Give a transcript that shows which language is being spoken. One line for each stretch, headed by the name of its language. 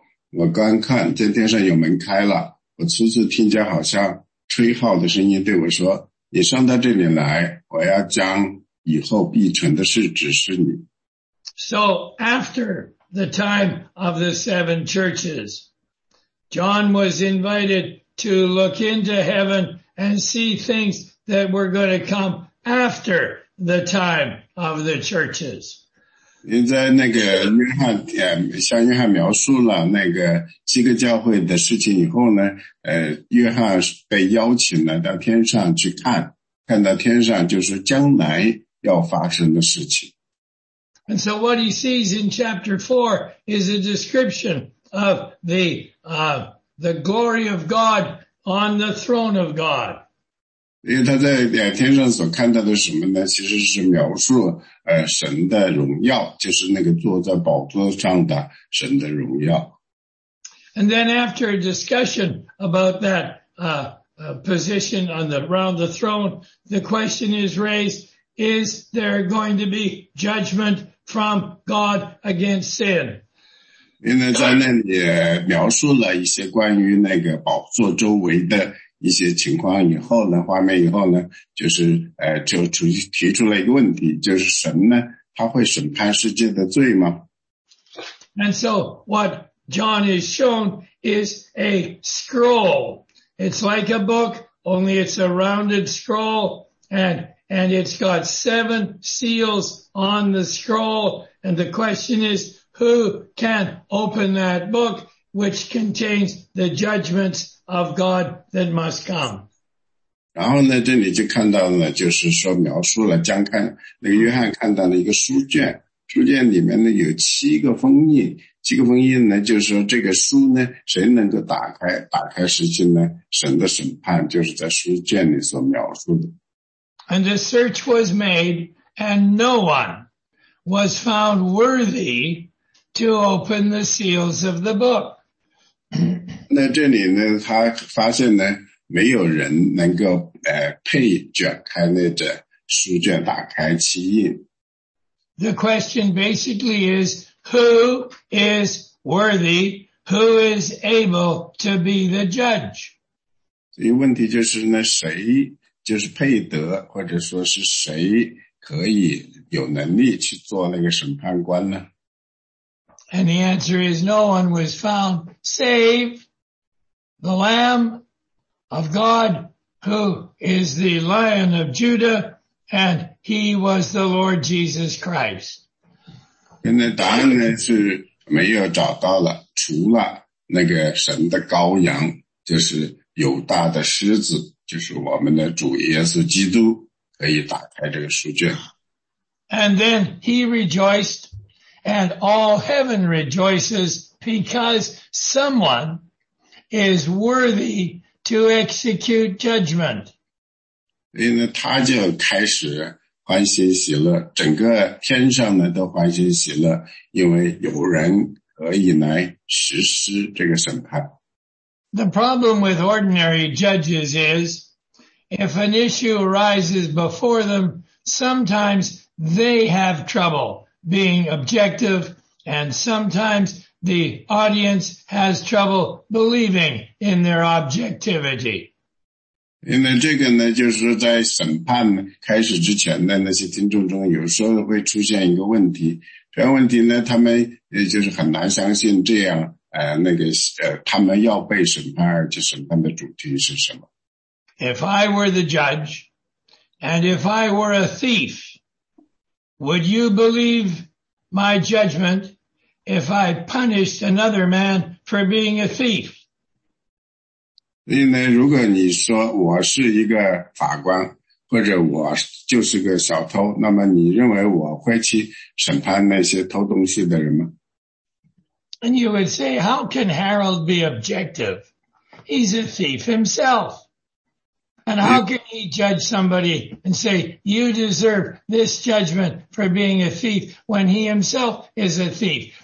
Chinese: 我刚看见天上有门开了，我初次听见好像吹号的声音对我说，你上到这里来，我要将以后必成的事指示你。
English: So after the time of the seven churches, John was invited to look into heaven and see things that were going to come after the time of the churches.
Chinese: 因为在那个约翰向约翰描述了那个七个教会的事情以后呢约翰被邀请了到天上去看，看到天上就是将来要发生的事情。
English: And so what he sees in chapter 4 is a description of the glory of God on the throne of God.
Chinese: 因为他在天上所看到的什么呢？其实是描述神的荣耀，就是那个坐在宝座上的神的荣耀。
English: And then after a discussion about that position on the round the throne, the question is raised: Is there going to be judgment from God against sin?
Chinese: 因为在那里描述了一些关于那个宝座周围的。一些情况以后呢，画面以后呢，就是就提出了一个问题，就是神呢，他会审判世界的罪吗？
English: And so what John is shown is a scroll. It's like a book, only it's a rounded scroll, and it's got seven seals on the scroll. And the question is, who can open that book, which contains the judgments of God that must come?
Chinese: 然后呢，这里就看到了，就是说描述了将看那个约翰看到了一个书卷，书卷里面呢有七个封印，七个封印呢就是说这个书呢谁能够打开，打开时期呢神的审判就是在书卷里所描述的。
English: And the search was made, and no one was found worthy to open the seals of the book.
Chinese: 那这里呢，他发现呢。没有人能够配卷开那个书卷打开七印。
English: The question basically is, who is worthy, who is able to be the judge?
Chinese: 所以问题就是呢，谁就是配得，或者说是谁可以有能力去做那个审判官呢？
English: And the answer is, no one was found save the Lamb. Of God, who is the Lion of Judah, and he was the Lord Jesus Christ.
Chinese: 现在答案呢是没有找到了，除了那个神的羔羊，就是犹大的狮子，就是我们的主耶稣基督，可以打开这个书卷。
English: And then he rejoiced, and all heaven rejoices, because someone is worthy to execute judgment.
Chinese: 因为他就开始欢欣喜乐，整个天上呢都欢欣喜乐，因为有人可以来实施这个审判。
English: The problem with ordinary judges is, if an issue arises before them, sometimes they have trouble being objective, and sometimes the audience has trouble believing in their objectivity.
Chinese: 因为这个呢，就是在审判开始之前的那些听众中，有时候会出现一个问题。这个问题呢，他们就是很难相信这样，他们要被审判，而且审判的主题是什么。
English: If I were the judge, and if I were a thief, would you believe my judgment? If I punished another man for being a thief.
Chinese: 因为如果你说我是一个法官，或者我就是个小偷，那么你认为我会去审判那些偷东西的人吗？
English: And you would say, how can Harold be objective? He's a thief himself. And how can he judge somebody and say, you deserve this judgment for being a thief when he himself is a thief?